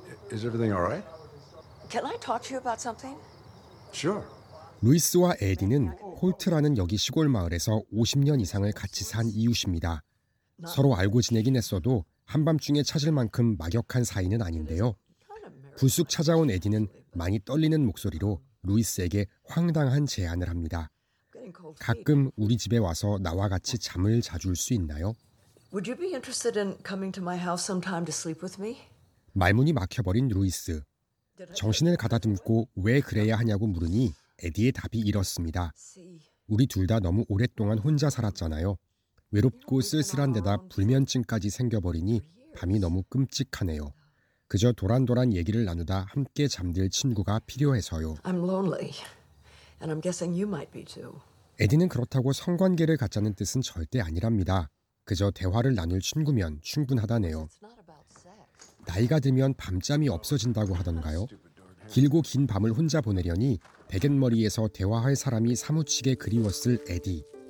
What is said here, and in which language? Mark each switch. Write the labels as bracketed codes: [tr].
[en] Is everything all right? Can I talk to you about something? Sure. [ko] 루이스와 에디는 홀트라는 여기 시골 마을에서 50년 이상을 같이 산 이웃입니다. 서로 알고 지내긴 했어도 한밤중에 찾을 만큼 막역한 사이는 아닌데요. 불쑥 찾아온 에디는 많이 떨리는 목소리로 루이스에게 황당한 제안을 합니다. 가끔 우리 집에 와서 나와 같이 잠을 자줄 수 있나요? [en] Would you be interested in coming to my house sometime to sleep with me? [ko] 말문이 막혀버린 루이스. 정신을 가다듬고 왜 그래야 하냐고 물으니 에디의 답이 이렇습니다. 우리 둘 다 너무 오랫동안 혼자 살았잖아요. 외롭고 쓸쓸한 데다 불면증까지 생겨버리니 밤이 너무 끔찍하네요. 그저 도란도란 얘기를 나누다 함께 잠들 친구가 필요해서요. [en] I'm lonely, and I'm guessing you might be too. [ko] 에디는 그렇다고 성관계를 갖자는 뜻은 절대 아니랍니다. 그저 대화를 나눌 친구면 충분하다네요. 나이가 들면 밤잠이 없어진다고 하던가요? 길고 긴 밤을 혼자 보내려니 베갯머리에서 대화할 사람이 사무치게 그리웠을 에디.